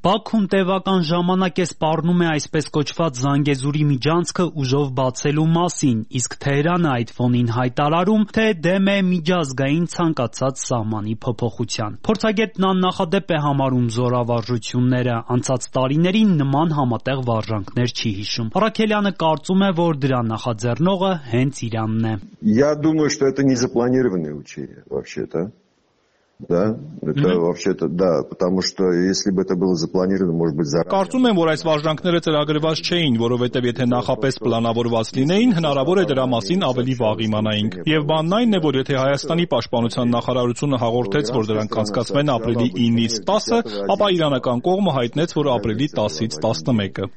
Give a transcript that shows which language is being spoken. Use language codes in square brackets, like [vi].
[hy] Բաքուն տևական ժամանակ է սպառնում է այսպես կոչված Զանգեզուրի միջանցքը ուժով բացելու մասին, իսկ Թեհրանը այդ ֆոնին հայտարարում, թե դեմ է միջազգային ցանկացած սահմանի փոփոխության։ Փորձագետն աննախադեպ է համարում զորավարժությունները, անցած տարիներին նման համատեղ վարժ ժանկներ չի հիշում։ Արաքելյանը կարծում է, որ դրա նախաձեռնողը հենց Իրանն է։ [ru] Я думаю, что это не запланированное учение вообще-то. Да, это вообще-то, да, потому что если бы это было запланировано, может быть, заранее. [hy] Կարծում եմ, որ այս վարժանքները ծրագրված չէին, որովհետև եթե նախապես պլանավորված լինեին, հնարավոր է դրա մասին ավելի վաղ իմանայինք։ Եվ բանն այն է, որ եթե Հայաստանի պաշտպանության նախարարությունը հաղորդեց, որ դրանք անցկացվեն ապրիլի 9-ից 10-ը, ապա իրանական կողմը հայտնեց, որ ապրիլի 10-ից 11-ը։